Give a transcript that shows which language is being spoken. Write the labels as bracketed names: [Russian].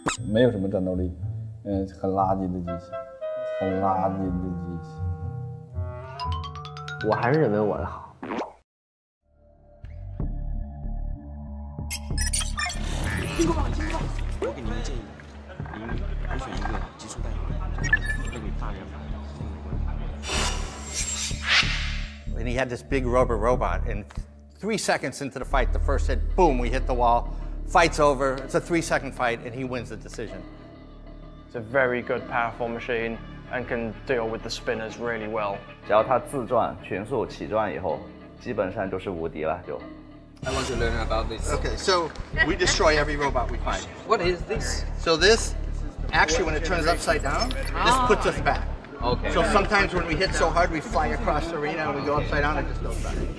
[Chinese] 没有什么战斗力，很垃圾的机器，很垃圾的机器。我还是认为我的好。金箍棒，金箍棒。我给您建议，您还选一个急速代码，会比大人牌。 [English] And he had this big rubber robot. And 3 seconds into the fight, the first hit, boom, we hit the wall. Fight's over. It's a 3 second fight, and he wins the decision. It's a very good, powerful machine and can deal with the spinners really well. [Chinese] 只要它自转，全速起转以后，基本上就是无敌了，就。 [English] I want to learn about this. Okay, so we destroy every robot we find. What is this? So this, actually, when it turns upside down, this puts us back. Okay. So sometimes when we hit so hard, we fly across the arena and we go upside down and just go back.